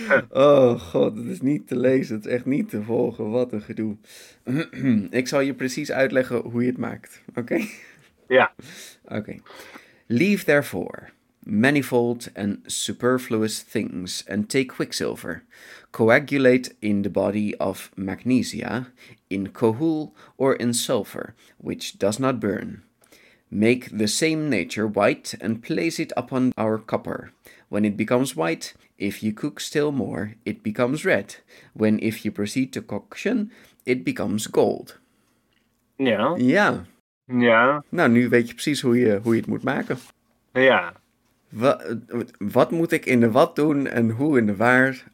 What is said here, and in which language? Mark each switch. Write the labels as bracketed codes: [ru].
[nl] Oh god, het is niet te lezen, het is echt niet te volgen. Wat een gedoe. Ik zal je precies uitleggen hoe je het maakt, oké? Okay? Ja. Oké. Okay. [en] Leave therefore manifold and superfluous things and take quicksilver. Coagulate in the body of magnesia, in cohul or in sulfur, which does not burn. Make the same nature white and place it upon our copper. When it becomes white, if you cook still more, it becomes red. When if you proceed to cocction, it becomes gold. [nl] Ja. Ja. Ja. Nou, nu weet je precies hoe je het moet maken. Ja. Wat moet ik in de wat doen en hoe in de waar?